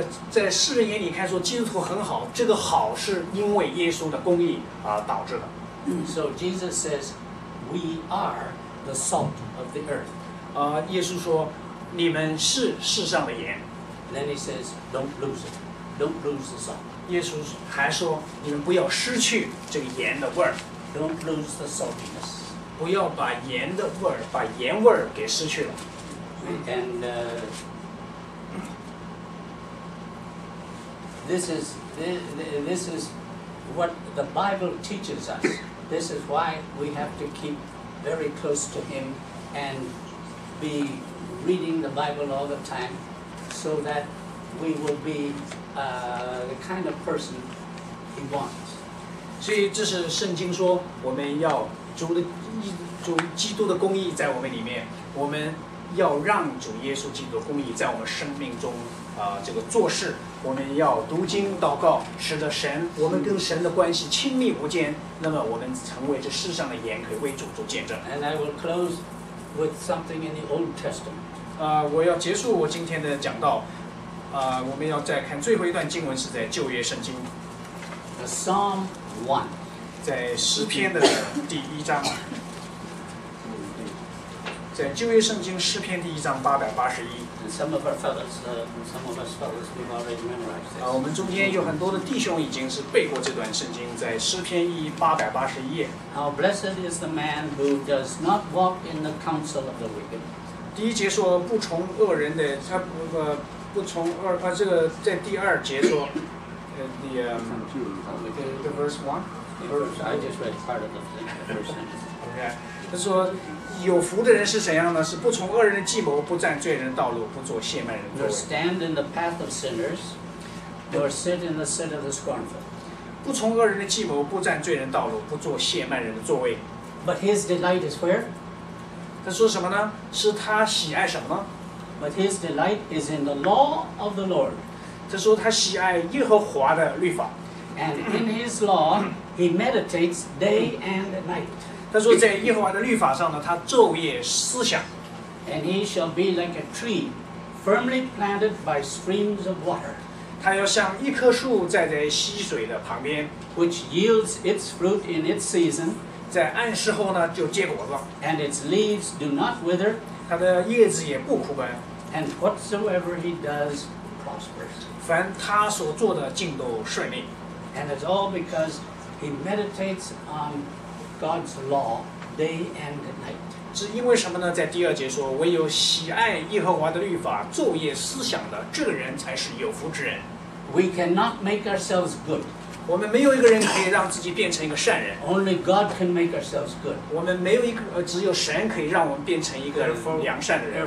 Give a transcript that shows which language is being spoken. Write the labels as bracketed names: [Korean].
[Chinese] 在世人眼里看说基督徒很好，这个好是因为耶稣的公义导致的。 [English] So Jesus says, we are the salt of the earth. [Chinese] 耶稣说，你们是世上的盐。 [English] Then he says, "Don't lose it. Don't lose the salt." [Chinese] 耶稣还说，你们不要失去这个盐的味儿。 [English] Don't lose the saltiness. [Chinese] 不要把盐的味儿，把盐味儿给失去了。 [English] And this is what the Bible teaches us. This is why we have to keep very close to Him and be reading the Bible all the time. So that we will be the kind of person he wants. [Chinese] 所以这是圣经说，我们要主基督的公义在我们里面，我们要让主耶稣基督的公义在我们生命中这个做事。我们要读经祷告，使得神我们跟神的关系亲密无间。那么我们成为这世上的盐，可以为主做见证。 [English] And I will close with something in the Old Testament. [Chinese] 我要结束我今天的讲道。我们要再看最后一段经文，是在旧约圣经。 [English] The Psalm 1， [Chinese] 在诗篇的第一章。在旧约圣经诗篇第一章881。 [English] Some of our fellows, some of us fellows, we've already memorized. [Chinese] 我们中间有很多的弟兄已经是背过这段圣经，在诗篇881页。 [English] How blessed is the man who does not walk in the counsel of the wicked. [Chinese] 第一节说不从恶人的，他不从恶，这个在第二节说 [English] the verse one, I just read part of the verse. [Chinese] Okay, 他说有福的人是怎样呢？是不从恶人的计谋，不占罪人道路，不做亵慢人。 [English] Nor stand in the path of sinners, nor sit in the seat of the scornful. [Chinese] 不从恶人的计谋，不占罪人道路，不做亵慢人的座位。 [English] But his delight is where? [Chinese] 他说什么呢？是他喜爱什么呢 [English] ？But his delight is in the law of the Lord. [Chinese] 他说他喜爱耶和华的律法。 [English] And in his law He meditates day and night. [Chinese] 他说在耶和华的律法上呢，他昼夜思想。 [English] And he shall be like a tree firmly planted by streams of water. [Chinese] 他要像一棵树站在溪水的旁边。 [English] Which yields its fruit in its season. [Chinese] 在按时候呢就结果了。 [English] And its leaves do not wither. [Chinese] 他的叶子也不枯干。 [English] And whatsoever he does prospers. [Chinese] 凡他所做的尽都顺利。 [English] And it's all because he meditates on God's law day and night. [Chinese] 是因为什么呢？在第二节说，唯有喜爱耶和华的律法，昼夜思想的，这个人才是有福之人。 [English] We cannot make ourselves good. [Chinese] 我们没有一个人可以让自己变成一个善人。 [English] Only God can make ourselves good. [Chinese] 我们没有一个，只有神可以让我们变成一个良善的人。